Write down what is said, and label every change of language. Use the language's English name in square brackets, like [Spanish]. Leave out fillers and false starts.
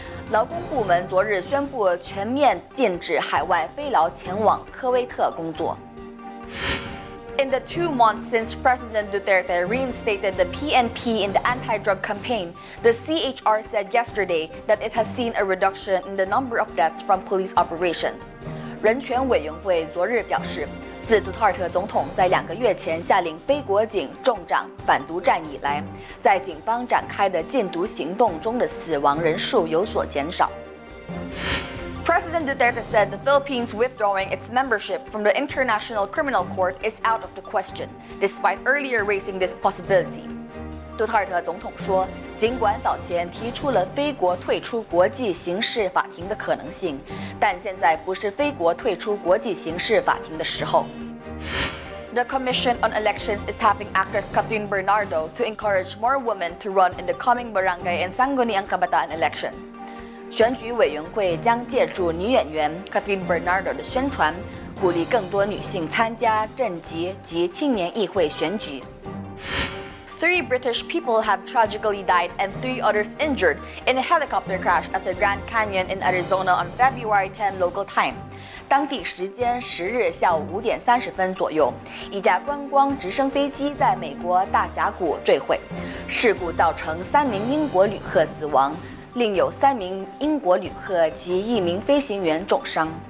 [Chinese] 劳工部门昨日宣布全面禁止海外非劳前往科威特工作。 [English] In the 2 months since President Duterte reinstated the PNP in the anti-drug campaign, the CHR said yesterday that it has seen a reduction in the number of deaths from police operations. [Chinese] 人权委员会昨日表示，自杜特尔特总统在两个月前下令非国警重掌反毒战以来，在警方展开的禁毒行动中的死亡人数有所减少。 [English] President Duterte said the Philippines withdrawing its membership from the International Criminal Court is out of the question, despite earlier raising this possibility. [Chinese] 杜特尔特总统说，尽管早前提出了非国退出国际刑事法庭的可能性，但现在不是非国退出国际刑事法庭的时候。 [English] The Commission on Elections is tapping actress Catherine Bernardo to encourage more women to run in the coming barangay and Sangguniang Kabataan elections. [Chinese] 选举委员会将借助女演员 Catherine Bernardo 的宣传，鼓励更多女性参加镇级及青年议会选举。 [English] Three British people have tragically died and three others injured in a helicopter crash at the Grand Canyon in Arizona on February 10 local time. [Chinese] 当地时间十日下午5:30左右，一架观光直升飞机在美国大峡谷坠毁，事故造成3名英国旅客死亡，另有3名英国旅客及1名飞行员重伤。